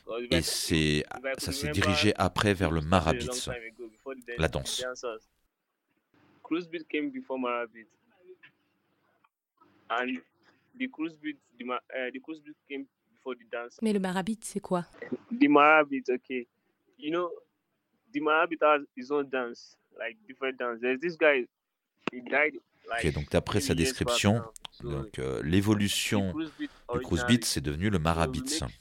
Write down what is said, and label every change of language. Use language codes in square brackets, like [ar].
[fr] Et ça s'est dirigé après vers le marabit, la danse. [en] Cruise beat came before marabit, and the cruise beat came before the dance. [fr] Mais le marabit, c'est quoi? [en] The marabit, okay. You know, the marabit has his own dance, like different dance. There's this guy, he died. [fr] Ok, donc d'après sa description, donc, l'évolution du cruise beat, c'est devenu le marabit.